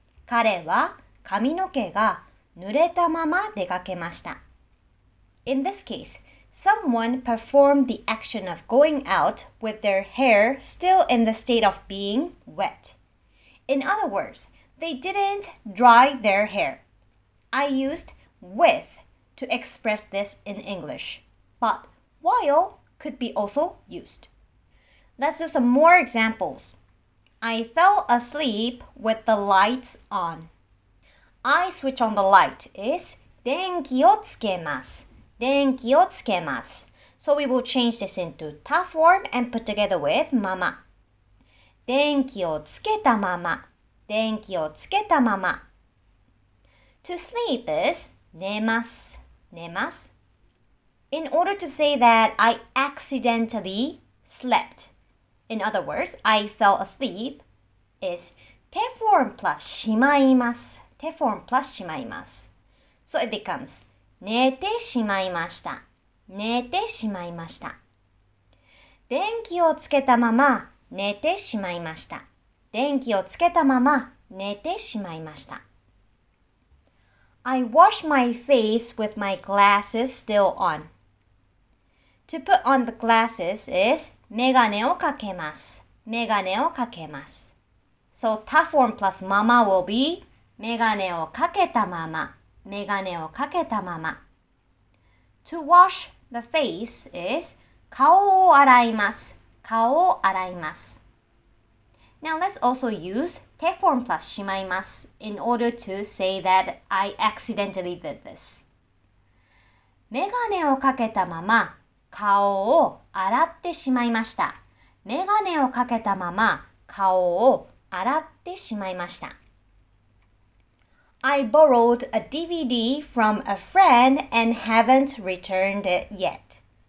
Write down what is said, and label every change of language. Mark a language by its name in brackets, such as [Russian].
[Japanese] 彼は 髪の毛が濡れたまま出かけました. [English] In this case, someone performed the action of going out with their hair still in the state of being wet. In other words, they didn't dry their hair. I used with to express this in English, but while could be also used. Let's do some more examples. I fell asleep with the lights on. I switch on the light is [Japanese] 電気をつけます。電気をつけます. [English] So we will change this into ta form and put together with mama. [Japanese] 電気をつけたまま。電気をつけたまま. [English] To sleep is [Japanese] 寝ます。寝ます. [English] In order to say that I accidentally slept, in other words, I fell asleep, is te form plus しまいます. Te form plus しまいます. So it becomes [Japanese] 寝てしまいました. 寝てしまいました。電気をつけたまま寝てしまいました。電気をつけたまま寝てしまいました。 [English] I wash my face with my glasses still on. To put on the glasses is [Japanese] メガネをかけます。メガネをかけます。 [English] So ta form plus mama will be [Japanese] メガネをかけたまま。メガネをかけたまま。 [English] To wash the face is [Japanese] 顔を洗います。顔を洗います。 [English] Now let's also use te form plus しまいます in order to say that I accidentally did this. [Japanese] メガネをかけたまま顔を洗ってしまいました。メガネをかけたまま顔を洗ってしまいました。 [English] I borrowed a DVD from a friend and haven't returned it yet.